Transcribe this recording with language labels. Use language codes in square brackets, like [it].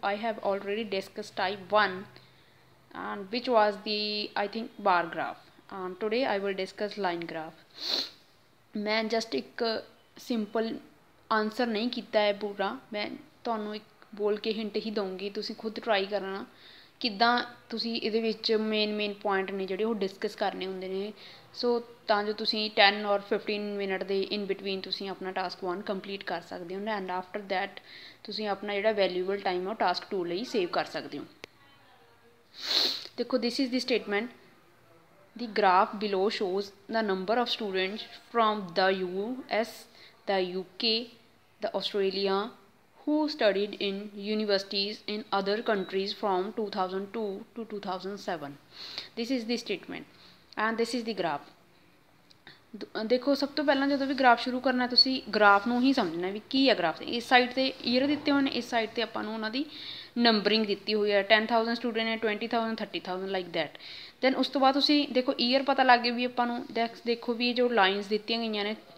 [en] I have already discussed type 1, and which was the bar graph, and today I will discuss line graph. [pa] Main just ek simple answer nahi kita hai pura, main tonu ek bol ke hint hi dungi, tusi khud try karna ਕਿੱਦਾਂ ਤੁਸੀਂ ਇਹਦੇ ਵਿੱਚ main main point ਨੇ ਜਿਹੜੇ ਉਹ discuss ਕਰਨੇ ਹੁੰਦੇ ਨੇ ਸੋ ਤਾਂ ਜੋ ਤੁਸੀਂ 10 ਔਰ 15 ਮਿੰਟ ਦੇ ਇਨ ਬਿਟਵੀਨ ਤੁਸੀਂ ਆਪਣਾ ਟਾਸਕ 1 ਕੰਪਲੀਟ ਕਰ ਸਕਦੇ ਹੋ [en] and after that [pa] ਤੁਸੀਂ ਆਪਣਾ ਜਿਹੜਾ ਵੈਲਿਊਏਬਲ ਟਾਈਮ ਹੈ ਉਹ ਟਾਸਕ 2 ਲਈ ਸੇਵ ਕਰ ਸਕਦੇ ਹੋ ਦੇਖੋ [en] This is the statement the graph below shows the number of students from the U S the U K the Australia Who studied in universities in other countries from 2002 to 2007? This is the statement and this is the graph. [pa] ਦੇਖੋ ਸਭ ਤੋਂ ਪਹਿਲਾਂ ਜਦੋਂ ਵੀ graph ਸ਼ੁਰੂ ਕਰਨਾ ਤੁਸੀਂ graph ਨੂੰ ਹੀ ਸਮਝਣਾ ਵੀ ਕੀ ਹੈ ਗ੍ਰਾਫ 'ਤੇ ਇਸ ਸਾਈਡ 'ਤੇ ਈਅਰ ਦਿੱਤੇ ਹੋਏ ਨੇ ਇਸ ਸਾਈਡ 'ਤੇ ਆਪਾਂ ਨੂੰ ਉਹਨਾਂ ਦੀ ਨੰਬਰਿੰਗ ਦਿੱਤੀ ਹੋਈ ਹੈ 10,000 ਸਟੂਡੈਂਟ ਹੈ 20,000 30,000 [en] like that then [pa] ਉਸ ਤੋਂ ਬਾਅਦ ਤੁਸੀਂ ਦੇਖੋ ਈਅਰ ਪਤਾ ਲੱਗ ਗਿਆ ਵੀ ਆਪਾਂ ਨੂੰ ਦੇਖੋ ਵੀ ਇਹ ਜੋ ਲਾਈਨਸ ਦਿੱਤੀਆਂ ਗਈਆਂ ਨੇ